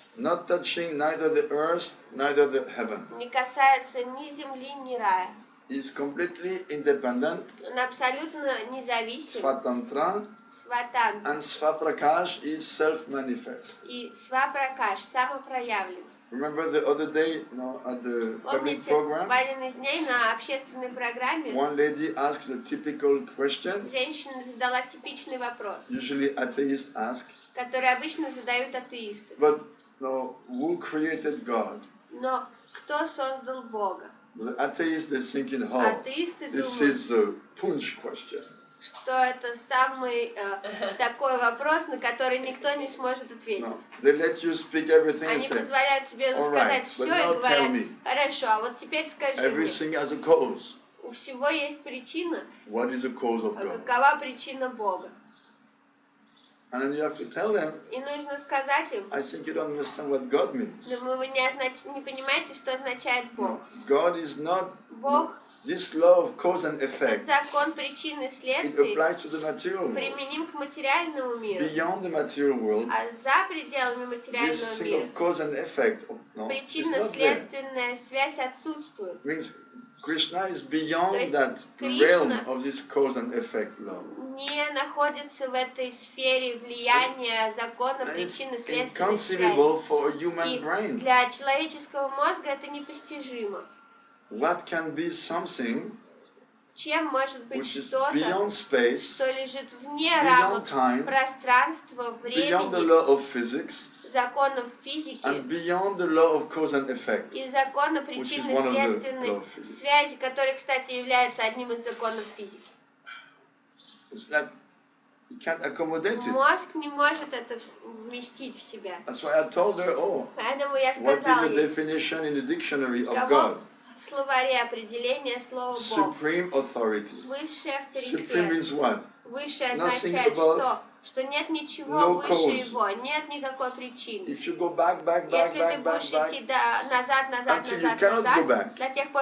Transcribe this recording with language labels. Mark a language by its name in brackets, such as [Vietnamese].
[English] Not touching neither the earth neither the heaven. [Russian] Не касается ни земли, ни рая. [English] Is completely independent. [Russian] Он абсолютно независим. Сватантра. Сватантра. [English] And Сватракаш is self-manifest. [Russian] И Сватракаш самопроявлен. [English] Remember the other day, at the public program. [Russian] Помните, в один из дней на общественной программе. [English] One lady asked a typical question. [Russian] Женщина задала типичный вопрос. [English] Usually atheists ask. [Russian] Который обычно задают атеисты. [English] But who created God? [Russian] Но кто создал Бога? [English] The atheist is thinking, oh, [Russian] атеисты [English] this [Russian] думают, [English] is the punch question. [Russian] Что это самый такой вопрос, на который никто не сможет ответить. [English] No. They let you speak everything [Russian] они [English] say, [Russian] позволяют тебе сказать [English] right, [Russian] все и говорят, хорошо, а вот теперь скажи [English] everything [Russian] мне, [English] has a cause. [Russian] у всего есть причина. [English] What is the cause of God? [Russian] Какова причина Бога? [English] And then you have to tell them. [Russian] И нужно сказать им. [English] I think you don't understand what God means. [Russian] Думаю, вы не понимаете, что означает Бог. [English] God is not. [Russian] Бог. [English] This law of cause and effect. [Russian] Этот закон причины и следствия. [English] It applies to the material world. [Russian] Применим к материальному миру. [English] Beyond the material world. [Russian] А за пределами материального мира. [English] This thing of cause and effect. No, [Russian] причинно-следственная связь отсутствует. [English] Means Krishna is beyond that realm of this cause and effect law. [Russian] Не находится в этой сфере влияния закона причинно-следственной связи. И для человеческого мозга это непостижимо. [English] What can be something which is beyond space, [Russian] что лежит вне рамок пространства, времени, [English] beyond the law of physics, [Russian] законов физики, [English] and beyond the law of cause and effect, [Russian] и закона причинно-следственной связи, который, кстати, является одним из законов физики. [English] You can't accommodate it. [Russian] Мозг не может это вместить в себя. [English] That's why I told her, oh, [Russian] поэтому я сказал ей, [English] what is the definition in the dictionary of God? [Russian] В словаре определение слова Бог. [English] Supreme authority. [Russian] Высший авторитет. [English] Supreme means what? [Russian] Высшее означает что? Что нет ничего [English] no [Russian] выше [English] cause. [Russian] Его, нет никакой причины. [English] If you go back, [Russian] если ты будешь идти назад, до тех пор,